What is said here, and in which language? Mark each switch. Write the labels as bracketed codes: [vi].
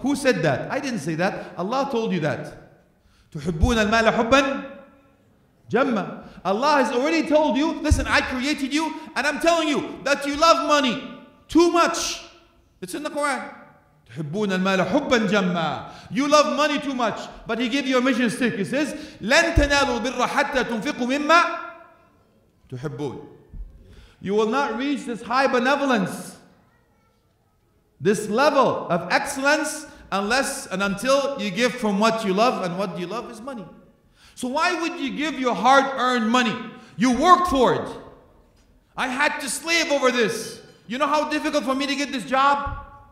[en] Who said that? I didn't say that. Allah told you that. [ar] تُحِبُّونَ الْمَالَ حُبًّا جَمَّا. [en] Allah has already told you, listen, I created you, and I'm telling you that you love money too much. It's in the Quran. [ar] تُحِبُّونَ الْمَالَ حُبًّا جَمَّا. [en] You love money too much. But he gave you a mission stick. He says, [ar] لَن تَنَالُوا الْبِرَّ حَتَّى تُنْفِقُوا مِمَّا تُحِبُّونَ. [en] You will not reach this high benevolence, this level of excellence, unless and until you give from what you love. And what do you love is money. So why would you give your hard-earned money? You worked for it. I had to slave over this. You know how difficult for me to get this job?